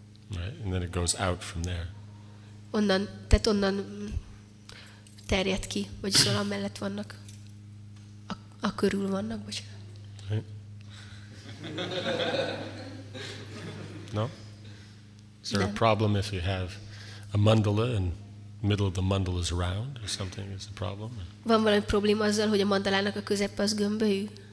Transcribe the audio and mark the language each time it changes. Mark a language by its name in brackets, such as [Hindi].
[English] Right, and then it goes out from there. [Hungarian] Onnan, tehát onnan terjed ki, vagy szóval mellett vannak, a körül vannak, bocsánat. [English] No? Is there a problem if you have a mandala and middle of the mandala is round or something? Is a problem? [Hungarian] Van valami probléma azzal, hogy a mandalának a közepe az gömbölyű?